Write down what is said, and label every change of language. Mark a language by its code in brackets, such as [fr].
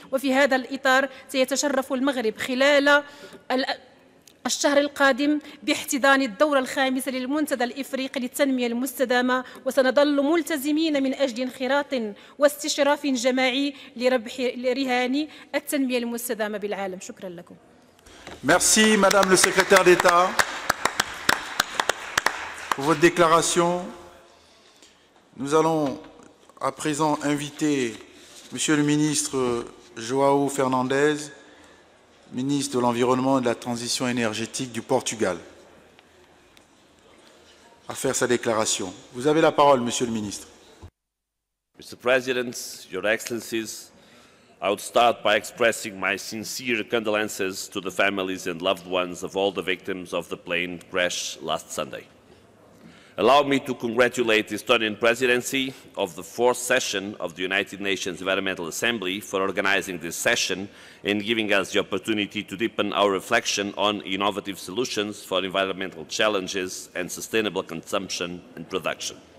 [ar] وفي هذا الإطار سيتشرف المغرب خلال الشهر القادم باحتضان الدورة الخامسة للمنتدى الإفريقي للتنمية المستدامة، وسنظل ملتزمين من أجل انخراط واستشراف جماعي لربح رهان التنمية المستدامة بالعالم. شكرا لكم. [fr] Merci madame le secrétaire d'État pour votre déclaration. Nous allons à présent inviter monsieur le ministre João Fernandes, ministre de l'Environnement et de la Transition énergétique du Portugal, à faire sa déclaration. Vous avez la parole, monsieur le ministre. [en] Mr. President, Your Excellencies, I would start by expressing my sincere condolences to the families and loved ones of all the victims of the plane crash last Sunday. Allow me to congratulate the Estonian Presidency of the fourth session of the United Nations Environmental Assembly for organizing this session and giving us the opportunity to deepen our reflection on innovative solutions for environmental challenges and sustainable consumption and production.